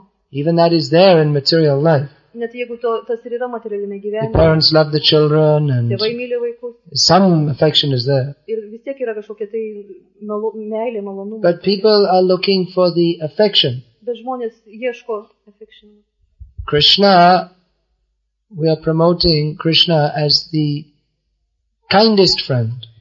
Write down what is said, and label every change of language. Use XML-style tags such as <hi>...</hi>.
<en>Even that is there in material life.</en> <lt>Net jeigu to, tas ir yra materialinė gyvenime.</lt> <en>The parents love the children and</en> <lt>tėvai myli vaikus.</lt> <en>Some affection is there.</en> <lt>Ir vis tiek yra kažkokia tai meilė, malonumas.</lt> <en>But people are looking for the affection.</en> <lt>Bet žmonės ieško affection.</lt> <en>Krishna, we are promoting Krishna as the kindest friend.</en>